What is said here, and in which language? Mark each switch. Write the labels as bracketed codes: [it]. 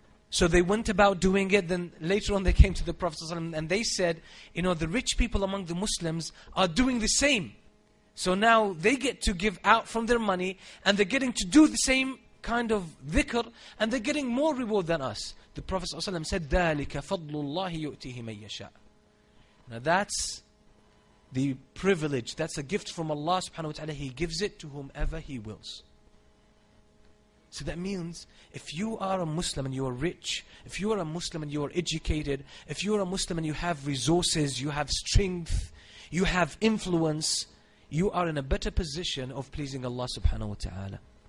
[en] So they went about doing it. Then later on they came to the Prophet ﷺ and they said, you know, the rich people among the Muslims are doing the same. So now they get to give out from their money and they're getting to do the same kind of dhikr, and they're getting more reward than us. The Prophet ﷺ said, [ar] ذَلِكَ فَضْلُ اللَّهِ يُؤْتِهِ مَنْ يَشَاءُ. [en] Now that's the privilege, that's a gift from Allah subhanahu wa ta'ala. He gives it to whomever He wills. So that means, if you are a Muslim and you are rich, if you are a Muslim and you are educated, if you are a Muslim and you have resources, you have strength, you have influence, you are in a better position of pleasing Allah subhanahu wa ta'ala.